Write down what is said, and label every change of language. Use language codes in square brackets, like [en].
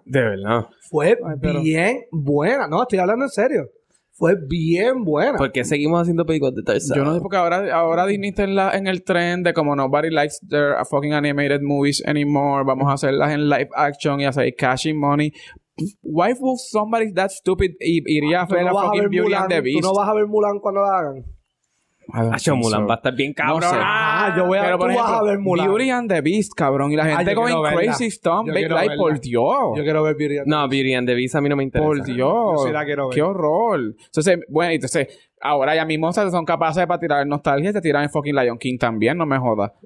[es] De verdad. Fue bien buena. No, estoy hablando en serio. Fue bien buena. ¿Por qué seguimos haciendo películas de Tarzán? Yo no sé, porque ahora Disney está en el trend de como [en] nobody likes their fucking animated movies anymore. [es] Vamos a hacerlas en live action y hacer [en] cashing money. Why would somebody that stupid [es] iría a hacer a [en] fucking Beauty and the Beast? [es] ¿Tú no vas a ver Mulan cuando la hagan? Hacho, Mulan va a estar bien cabrón. No, yo voy a, pero tú ejemplo, vas a ver Mulan. Beauty and the Beast, cabrón. Y la gente [en] going crazy, [es] Tom. Big Light, por Dios. Yo quiero ver Beauty and the Beast. No, Beauty and the Beast a mí no me interesa. Por Dios. Yo sí la quiero ver. Qué horror. Entonces, bueno, entonces, ahora ya mismo se son capaces de tirar nostalgia y te tiran en fucking Lion King también, no me jodas.